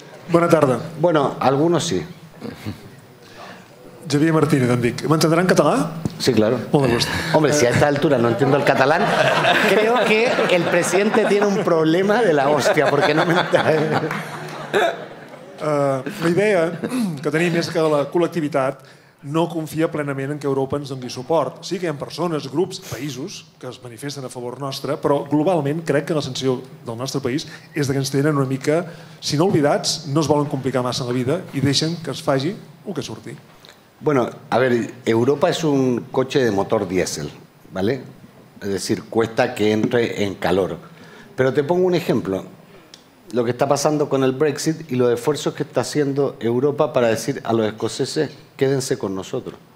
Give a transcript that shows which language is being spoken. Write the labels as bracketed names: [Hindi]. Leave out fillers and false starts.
[Catalan] Bona tarda. [Spanish] Bueno, algunos sí. [Catalan] Xavier Martínez, em dic. M'entendrà en català? [Spanish] Sí, claro. [Catalan] Molt de gust. [Spanish] Hombre, si a esta altura no entiendo el catalán, creo que el presidente tiene un problema de la hostia, porque [Catalan] no m'entendrà. La idea que tenim és que la col·lectivitat no confia plenament en que Europa ens doni suport. Sí que hi ha persones, grups, països que es manifesten a favor nostre, però globalment crec que la sensació del nostre país és que ens tenen una mica, si no oblidats, no es volen complicar massa la vida i deixen que es faci el que surti. [Spanish] Bueno, a ver, Europa es un coche de motor diésel, ¿vale? Es decir, cuesta que entre en calor. Pero te pongo un ejemplo. Lo que está pasando con el Brexit y los esfuerzos que está haciendo Europa para decir a los escoceses, quédense con nosotros.